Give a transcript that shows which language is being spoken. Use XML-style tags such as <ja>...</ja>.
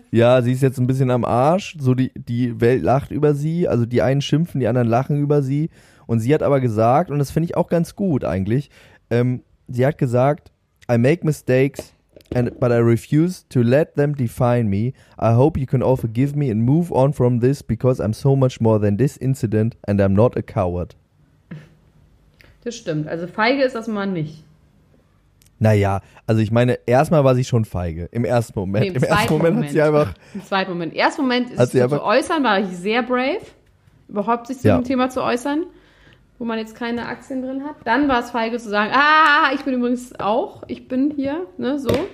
<de>Ja, sie ist jetzt ein bisschen am Arsch. So die Welt lacht über sie. Also die einen schimpfen, die anderen lachen über sie. Und sie hat aber gesagt, und das finde ich auch ganz gut eigentlich, sie hat gesagt,</de> <en>I make mistakes, but I refuse to let them define me. I hope you can all forgive me and move on from this, because I'm so much more than this incident and I'm not a coward.</en> <de>Das stimmt. Also feige ist das mal nicht. Naja, also ich meine, erstmal war sie schon feige. Im ersten Moment. Nee, Im ersten Moment ist sie einfach zu äußern, war ich sehr brave, überhaupt sich zu dem Thema zu äußern, wo man jetzt keine Aktien drin hat, dann war es feige zu sagen, ich bin übrigens auch, ich bin hier, ne, so.</de>